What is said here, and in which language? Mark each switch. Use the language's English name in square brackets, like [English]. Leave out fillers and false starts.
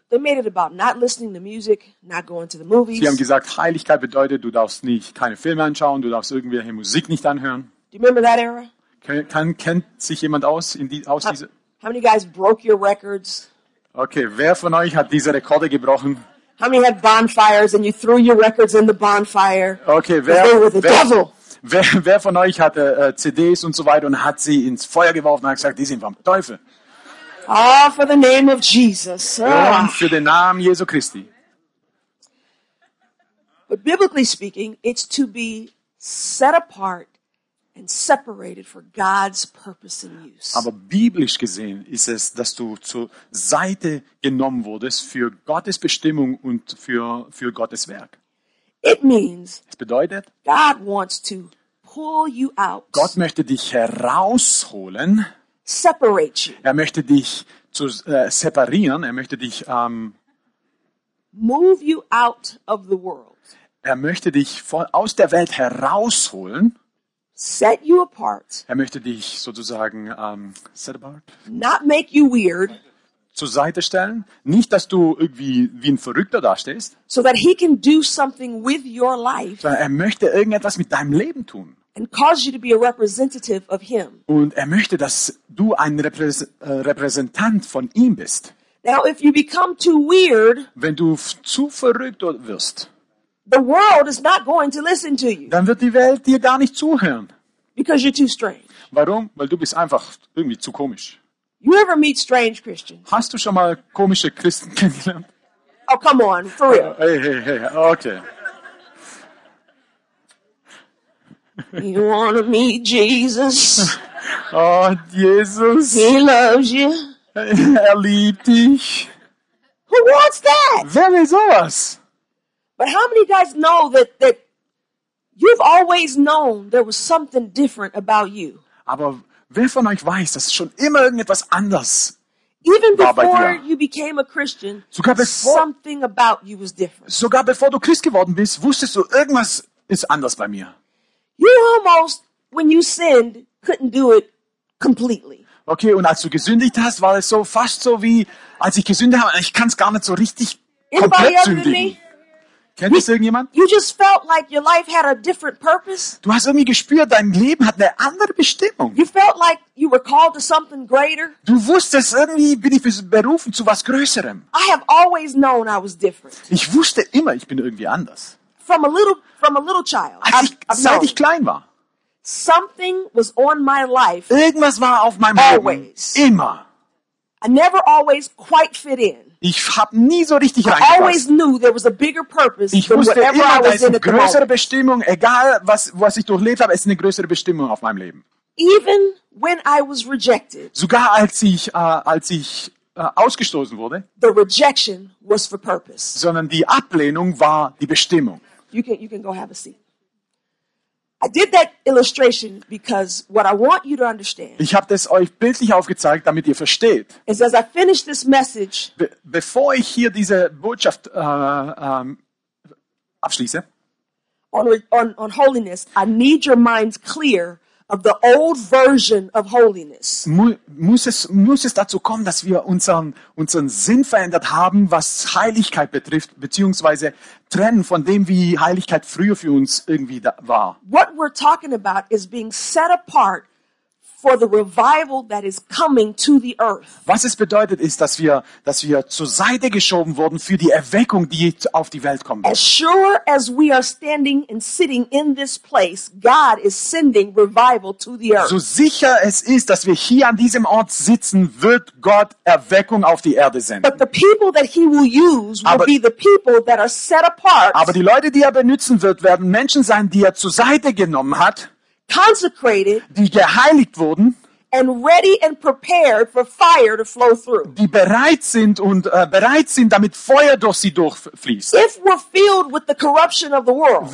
[English] They made it about not listening to music, not going to the movies. [German] Sie haben gesagt, Heiligkeit bedeutet, du darfst nicht keine Filme anschauen, du darfst irgendwelche Musik nicht anhören. [English] Do you remember that era? [German] Kennt sich jemand aus in die aus diese? [English] How many guys broke your records? [German] Okay, wer von euch hat diese Rekorde gebrochen? [English] How many had bonfires and you threw your records in the bonfire? [German] Okay, wer von euch hatte CDs und so weiter und hat sie ins Feuer geworfen und hat gesagt, die sind vom Teufel? [English] Ah, for the name of Jesus. [German] Und für den Namen Jesu Christi. [English] But biblically speaking, it's to be set apart and separated for God's purpose and use. [German] Aber biblisch gesehen ist es, dass du zur Seite genommen wurdest für Gottes Bestimmung und für Gottes Werk. [English] It means, [German] es bedeutet, [English] God wants to pull you out. [German] Gott möchte dich herausholen. [English] Separate you. [German] Er möchte dich zu separieren. Er möchte dich [English] move you out of the world. [German] Er möchte dich aus der Welt herausholen. [English] Set you apart. [German] Er möchte dich sozusagen [English] set apart. Not make you weird. [German] Zur Seite stellen, nicht dass du irgendwie wie ein Verrückter dastehst. [English] So that he can do something with your life. [German] Er möchte irgendetwas mit deinem Leben tun. [English] And cause you to be a representative of him. [German] Und er möchte, dass du ein Repräsentant von ihm bist. [English] Now, if you become too weird, [German] wenn du zu verrückt wirst, [English] the world is not going to listen to you. [German] Dann wird die Welt dir gar nicht zuhören. [English] Because you're too strange. [German] Warum? Weil du bist einfach irgendwie zu komisch. [English] You ever meet strange Christians? [German] Hast du schon mal komische Christen kennengelernt? Oh, come on, for real. Hey, okay. You wanna meet Jesus? Oh, Jesus. He loves you. Er liebt dich. [English] Who wants that? [German] Wer will sowas? [English] But how many guys know that you've always known there was something different about you? [German] Aber wer von euch weiß, dass schon immer irgendetwas anders [English] even [German] war [English] before [German] bei dir? [English] You became a Christian, [German] sogar [English] something about you was different. [German] Sogar bevor du Christ geworden bist, wusstest du, irgendwas ist anders bei mir. [English] You almost, when you sinned, couldn't do it completely. [German] Okay, und als du gesündigt hast, war es so fast so wie, als ich gesündigt habe, ich kann es gar nicht so richtig komplett sündigen. Kennt das irgendjemand? [English] You just felt like your life had a different purpose. [German] Du hast irgendwie gespürt, dein Leben hat eine andere Bestimmung. [English] You felt like you were called to something greater. [German] Du wusstest, irgendwie bin ich berufen zu was Größerem. [English] I have always known I was different. [German] Ich wusste immer, ich bin irgendwie anders. [English] From a little child, [German] seit ich klein war, [English] something was on my life. [German] Irgendwas war auf meinem [English] always. [German] Leben. Immer. [English] I never always quite fit in. [German] Ich habe nie so richtig [English] I [German] reingepasst. [English] Always knew there was a bigger purpose. [German] Ich wusste immer, [English] I was [German] da ist eine größere Bestimmung. Egal was ich durchlebt habe, es ist eine größere Bestimmung auf meinem Leben. [English] Even when I was rejected. [German] Sogar als ich ausgestoßen wurde. [English] The rejection was for purpose. [German] Sondern die Ablehnung war die Bestimmung. [English] You can go have a seat. I did that illustration because what I want you to understand. [German] Ich habe das euch bildlich aufgezeigt, damit ihr versteht. [English] Is as I finish this message. [German] Bevor ich hier diese Botschaft abschließe. [English] on holiness. I need your mind clear of the old version of holiness. [German] Muss es dazu kommen, dass wir unseren Sinn verändert haben, was Heiligkeit betrifft, beziehungsweise trennen von dem, wie Heiligkeit früher für uns irgendwie da war. [English] What we're talking about is being set apart for the revival that is coming to the earth. [German] Was es bedeutet ist, dass wir zur Seite geschoben wurden für die Erweckung, die auf die Welt kommen [English] wird. As sure as we are standing and sitting in this place, God is sending revival to the earth. [German] So sicher es ist, dass wir hier an diesem Ort sitzen, wird Gott Erweckung auf die Erde senden. [English] But the people that he will use will be the people that are set apart. [German] Aber die Leute, die er benutzen wird, werden Menschen sein, die er zur Seite genommen hat. [English] Consecrated, [German] die geheiligt wurden, [English] and ready and prepared for fire to flow through. [German] Die bereit sind und bereit sind, damit Feuer durch sie durchfließt. [English] If we're filled with the corruption of the world,